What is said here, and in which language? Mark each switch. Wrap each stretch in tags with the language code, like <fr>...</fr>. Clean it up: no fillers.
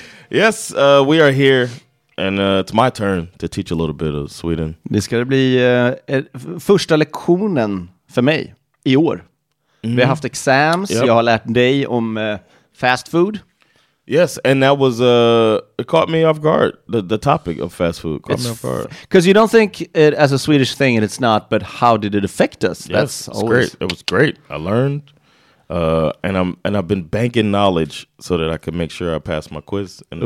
<en>Yes, we are here, and it's my turn to teach a little bit of Sweden.</en> <sv>Det ska bli första lektionen för mig i år. Mm-hmm. Vi har haft exams, yep. Jag har lärt dig om fast food.</sv> <en>Yes, and that was, it caught me off guard, the topic of fast food caught me off guard. Because you don't think it as a Swedish thing, and it's not, but how did it affect us? Yes, that's always great. It was great. I learned, and I've been banking knowledge so that I could make sure I pass my quiz in the</en>